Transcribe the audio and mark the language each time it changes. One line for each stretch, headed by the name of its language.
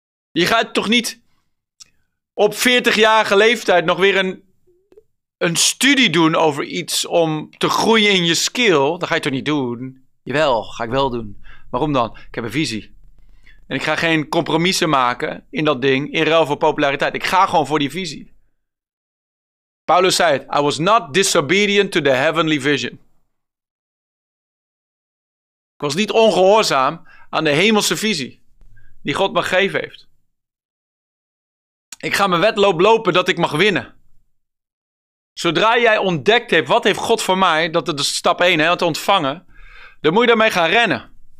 Dutch: Je gaat toch niet op 40-jarige leeftijd nog weer een studie doen over iets om te groeien in je skill? Dat ga je toch niet doen? Jawel, ga ik wel doen. Waarom dan? Ik heb een visie. En ik ga geen compromissen maken in dat ding in ruil voor populariteit. Ik ga gewoon voor die visie. Paulus zei het,
English: I was not disobedient to the heavenly vision.
Dutch: Ik was niet ongehoorzaam aan de hemelse visie die God me gegeven heeft. Ik ga mijn wedloop lopen dat ik mag winnen. Zodra jij ontdekt hebt, wat heeft God voor mij, dat is stap 1, hè, te ontvangen, dan moet je daarmee gaan rennen.